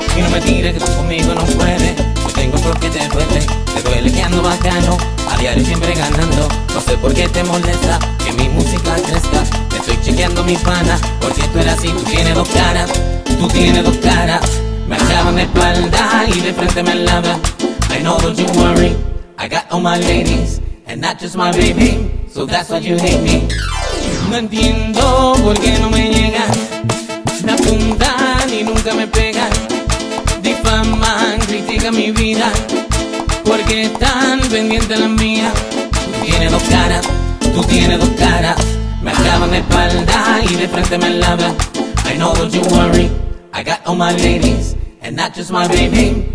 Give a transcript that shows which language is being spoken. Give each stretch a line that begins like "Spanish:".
Spanish: Me tire que tú conmigo no puedes. Yo tengo lo que te duele. Te duele que ando bacano, a diario siempre ganando. No sé por qué te molesta que mi música crezca. Me estoy chequeando mis panas, por si esto era así. Tú tienes dos caras, tú tienes dos caras. Me acaban de espalda y de frente me labra.
English: I know, don't you worry, I got all my ladies and not just my baby. So that's why you hate me.
Spanish: No entiendo por qué no me llegan. Me apuntan y nunca me pegan. Difaman, critican mi vida. ¿Por qué tan pendiente la mía? Tú tienes dos caras, tú tienes dos caras. Me acaban de espalda y de frente me labra.
English: I know, don't you worry, I got all my ladies and not just my baby.